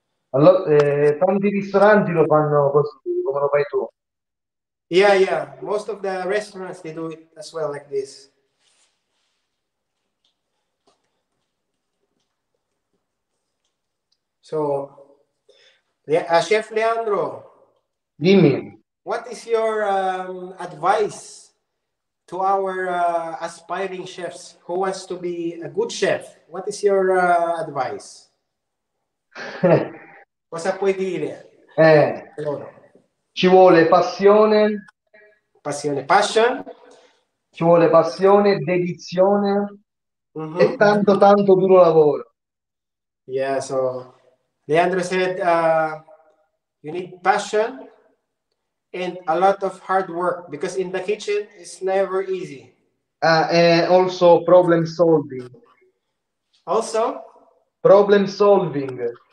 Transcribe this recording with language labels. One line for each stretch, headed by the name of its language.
Italian: Allora, tanti ristoranti lo fanno così, come lo fai tu.
English: Yeah, yeah. Most of the restaurants, they do it as well like this. So, Chef Leandro,
Italian: dimmi.
English: What is your advice to our aspiring chefs who wants to be a good chef? What is your advice?
Italian: Cosa puoi dire? Ci vuole passione. Passione, passion. Ci vuole passione, dedizione e tanto, tanto duro lavoro.
English: Yeah, so Leandro said, you need passion and a lot of hard work because in the kitchen it's never easy. Also problem solving. Also? Problem solving.